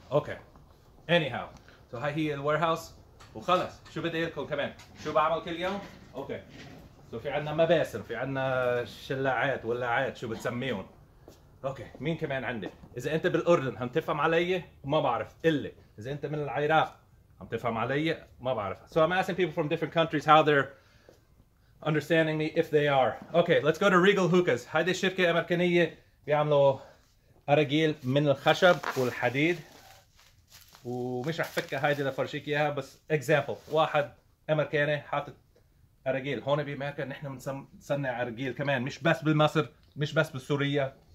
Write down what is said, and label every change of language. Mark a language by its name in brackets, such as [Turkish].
[Arabic] اوكي [English] anyhow so [Arabic] هاي هي الوير هاوس. وخلص شو بدي لكم كمان شو بعمل كل يوم. اوكي سو في عندنا مباسن في عندنا شلاعات ولاعات شو بتسميهم. اوكي مين كمان عندي؟ اذا انت بالاردن عم تفهم علي ما بعرف قلي. اذا انت من العراق عم تفهم علي ما بعرف. [English] So I'm asking people from different countries how they're understanding me if they are. Okay, let's go to Regal Hookahs. [Arabic] هيدي الشركة أمريكانية بيعملوا أراجيل من الخشب والحديد. ومش رح فكها هيدي لفرجيك إياها بس example. واحد أمريكاني حاطط أراجيل. هون بأمريكا نحن بنصنع أراجيل كمان مش بس بالمصر مش بس بالسورية.